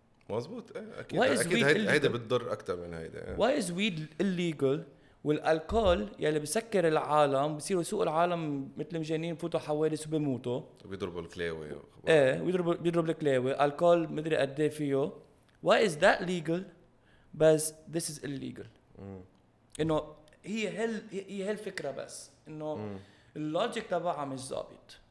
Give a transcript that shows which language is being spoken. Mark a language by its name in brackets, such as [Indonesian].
[Arabic] مظبوط أكيد هيدا بتضر أكتر من هيدا. [English] Why is weed illegal [Arabic] والألكول يلي بسكر العالم بصيروا سوق العالم مثل مجانين فوتوا حوالي سوق بموتوا بيضربوا الكلاوة ايه بيضرب الكلاوة ألكول مدري قدي فيه. [English] Why is that legal بس this is illegal. [Arabic] إنه هي الفكرة بس إنه اللوجيك تبعها مش ظابط.